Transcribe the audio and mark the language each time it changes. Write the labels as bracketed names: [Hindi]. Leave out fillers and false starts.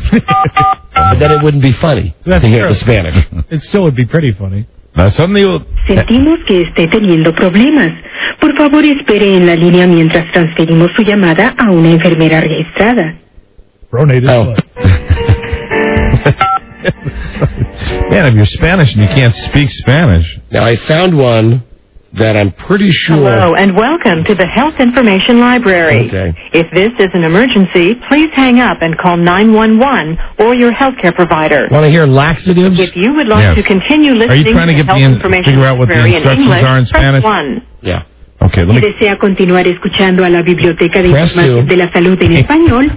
[English] But then it wouldn't be funny to hear the Spanish. It still would be pretty funny. Now suddenly you'll... [Spanish] Sentimos que esté teniendo problemas. Por favor, espere en la línea mientras transferimos su llamada a una enfermera registrada. [English] Pronated. Oh. Man, if you're Spanish and you can't speak Spanish... Now, I found one... That I'm pretty sure... Hello, and welcome to the Health Information Library. Okay. If this is an emergency, please hang up and call 911 or your healthcare provider. Want to hear laxatives? If you would like to continue listening to the Health Information Library in English, press 1. Are you trying to figure out what the instructions are in Spanish? Yeah. Okay, let me... [Spanish] Si desea continuar escuchando a la Biblioteca de Información de la Salud en Español...